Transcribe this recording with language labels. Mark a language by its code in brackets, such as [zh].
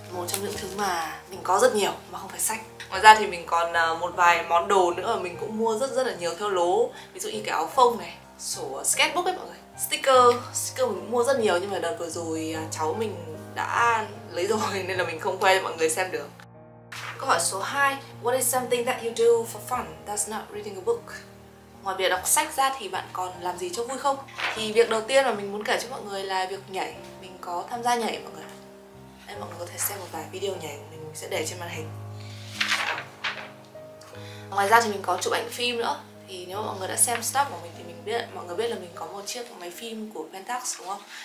[vi] Một trong những thứ mà mình có rất nhiều mà không phải sách. Ngoài ra thì mình còn một vài món đồ nữa mà mình cũng mua rất rất là nhiều theo lố. Ví dụ như cái áo phông này, sổ sketchbook ấy mọi người. Sticker mình mua rất nhiều, nhưng mà đợt vừa rồi cháu mình đã lấy rồi nên là mình không quay cho mọi người xem được. Câu hỏi số 2, [en] what is something that you do for fun that's not reading a book? [vi] Ngoài việc đọc sách ra thì bạn còn làm gì cho vui không? Thì việc đầu tiên mà mình muốn kể cho mọi người là việc nhảy. Mình có tham gia nhảy mọi người. Đây mọi người có thể xem một vài video nhảy của mình sẽ để trên màn hình. Ngoài ra thì mình có chụp ảnh phim nữa. Thì nếu mà mọi người đã xem stuff của mình thì mình biết, mọi người biết là mình có một chiếc máy phim của Pentax đúng không?